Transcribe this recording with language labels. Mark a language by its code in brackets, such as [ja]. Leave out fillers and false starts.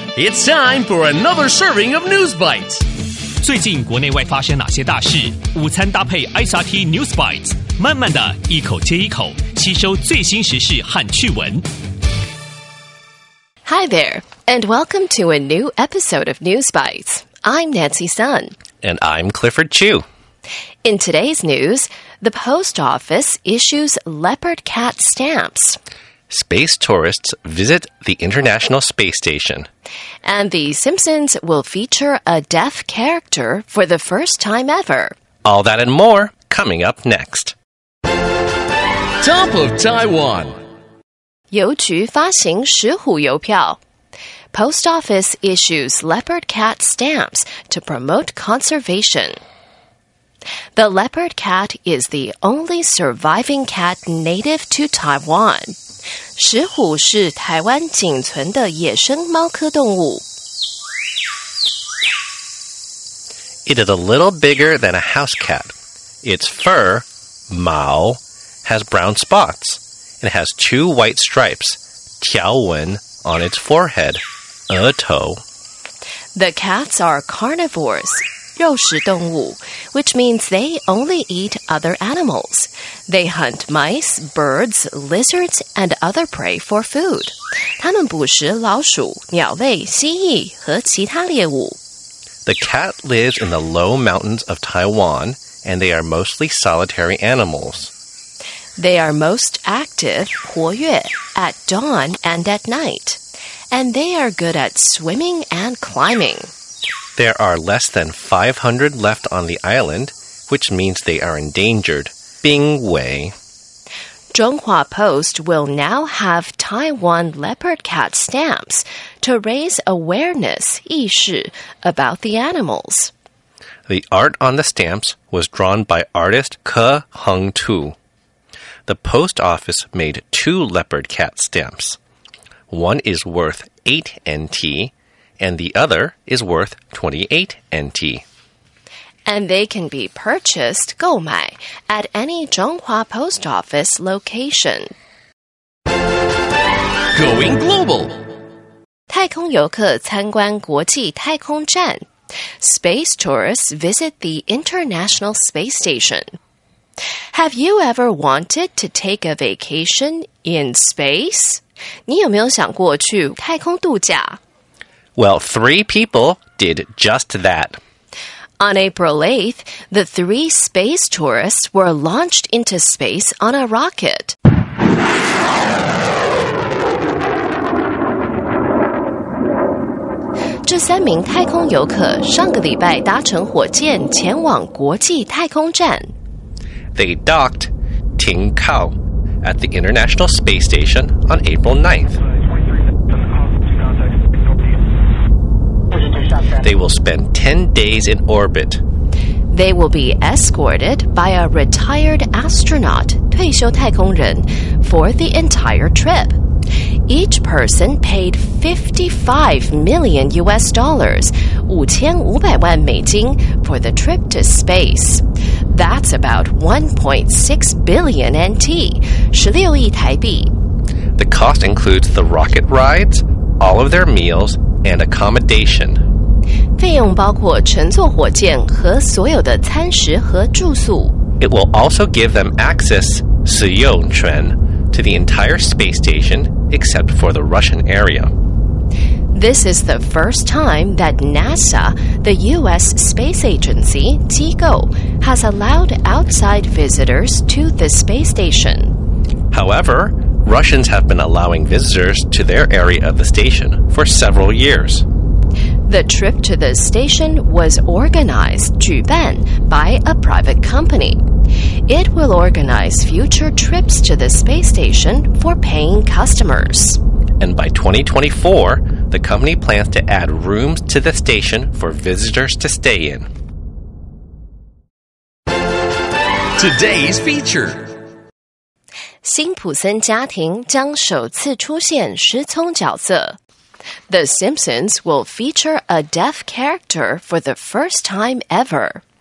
[en] It's time for another serving of News Bites. [zh] 最近国内外发生哪些大事？午餐搭配 SRT News Bites， 慢慢的一口接一口，吸收最新时事和趣闻。 [en] Hi there, and welcome to a new episode of News Bites. I'm Nancy Sun. And I'm Clifford Chu. In today's news, the post office issues leopard cat stamps. Space tourists visit the International Space Station. And The Simpsons will feature a deaf character for the first time ever. All that and more coming up next. Top of Taiwan. [zh] 邮局发行石虎邮票。 [en] Post office issues leopard cat stamps to promote conservation. The leopard cat is the only surviving cat native to Taiwan. [zh] 石虎是台湾仅存的野生猫科动物。 [en] It is a little bigger than a house cat. Its fur, 毛, has brown spots. It has two white stripes, 条纹, on its forehead, 额头. The cats are carnivores, 肉食动物, which means they only eat other animals. They hunt mice, birds, lizards, and other prey for food. [zh] 他们捕食老鼠、鸟类、蜥蜴和其他猎物. [en] The cat lives in the low mountains of Taiwan, and they are mostly solitary animals. They are most active, 活跃, at dawn and at night. And they are good at swimming and climbing. There are less than 500 left on the island, which means they are endangered. [zh] 濒危. [en] Zhonghua Post will now have Taiwan leopard cat stamps to raise awareness, 意识, about the animals. The art on the stamps was drawn by artist Ke Hung Tu. The post office made two leopard cat stamps. One is worth 8 NT, and the other is worth 28 NT. And they can be purchased, 购买, at any Zhonghua post office location. Going global! [zh] 太空游客参观国际太空站. [en] Space tourists visit the International Space Station. Have you ever wanted to take a vacation in space? [zh] 你有没有想过去太空度假? [en] Well, three people did just that. On April 8th, the three space tourists were launched into space on a rocket. [zh] 这三名太空游客上个礼拜搭乘火箭前往国际太空站。 [en] They docked, 停靠, at the International Space Station on April 9th. They will spend 10 days in orbit. They will be escorted by a retired astronaut, 退休太空人, for the entire trip. Each person paid $55 million, [zh] 五千五百万美金, [en] for the trip to space. That's about 1.6 billion NT, [zh] 十六亿台币. [en] The cost includes the rocket rides, all of their meals, and accommodation. [zh] 费用包括乘坐火箭和所有的餐食和住宿. [en] It will also give them access, 使用权, to the entire space station except for the Russian area. This is the first time that NASA, the U.S. space agency, TIGO, has allowed outside visitors to the space station. However, Russians have been allowing visitors to their area of the station for several years. The trip to the station was organized, 举办, by a private company. It will organize future trips to the space station for paying customers. And by 2024,The company plans to add rooms to the station for visitors to stay in. Today's feature. [zh] 辛普森家庭将首次出现失聪角色。 [en] The Simpsons will feature a deaf character for the first time ever.